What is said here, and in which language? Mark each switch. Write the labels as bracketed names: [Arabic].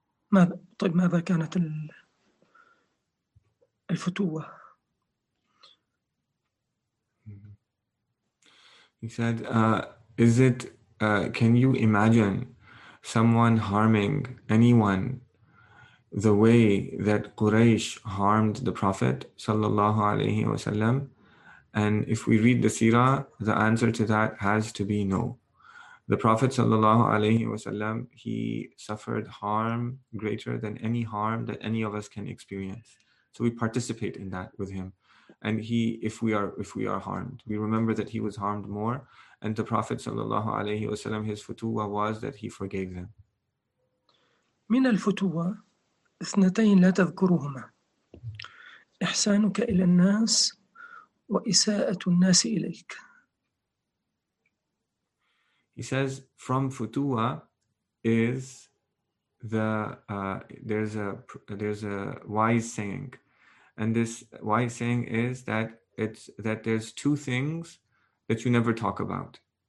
[Arabic] ماذا؟ طيب ماذا كانت الفتوة؟ [English] He said, can you imagine someone harming anyone the way that Quraysh harmed the Prophet sallallahu alayhi wa sallam? And if we read the seerah, the answer to that has to be no. The Prophet sallallahu alayhi wa sallam, he suffered harm greater than any harm that any of us can experience. So we participate in that with him. And if we are harmed, we remember that he was harmed more. And the Prophet sallallahu alayhi wa sallam, his futuwa was that he forgave them. [Arabic] من الفتوة اثنتين لا تذكرهما إحسانك إلى الناس وإساءة الناس إليك. [English] He says, from futuwa is there's a wise saying, and this wise saying is that it's that there's two things that you never talk about.